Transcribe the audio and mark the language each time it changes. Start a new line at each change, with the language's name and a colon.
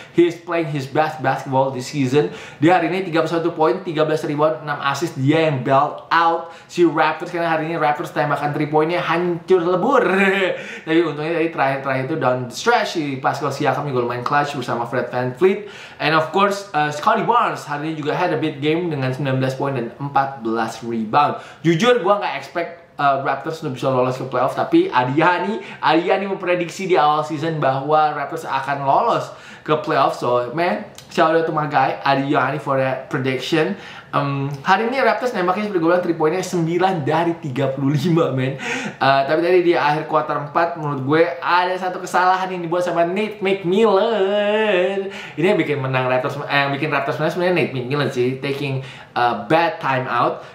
English: He's playing his best basketball this season.
Indonesian: Dia hari ini 31 poin, 13 rebound, 6 assist. Dia yang
English: belt out
Indonesian: si Raptors. Karena hari ini Raptors tembakan 3 poinnya hancur lebur. Tapi untungnya tadi terakhir-terakhir itu
English: down the stretch,
Indonesian: si Pascal Siakam juga lumayan clutch bersama Fred VanVleet.
English: And of course,
Indonesian: Scottie Barnes hari ini juga
English: had a big game
Indonesian: dengan 19 poin dan 14 rebound. Jujur, gue gak expect Raptors sudah bisa lolos ke playoff, tapi Adiani memprediksi di awal season bahwa Raptors akan lolos ke playoff. So man, shout out to my guy Adiani for that prediction. Hari ini Raptors nembaknya seperti gue bilang 3 poinnya 9 dari 35, man. Tapi tadi di akhir quarter 4 menurut gue ada satu kesalahan yang dibuat sama Nate McMillan. Ini yang bikin menang Raptors, yang bikin Raptors menang sebenarnya Nate McMillan sih,
English: taking a bad time out.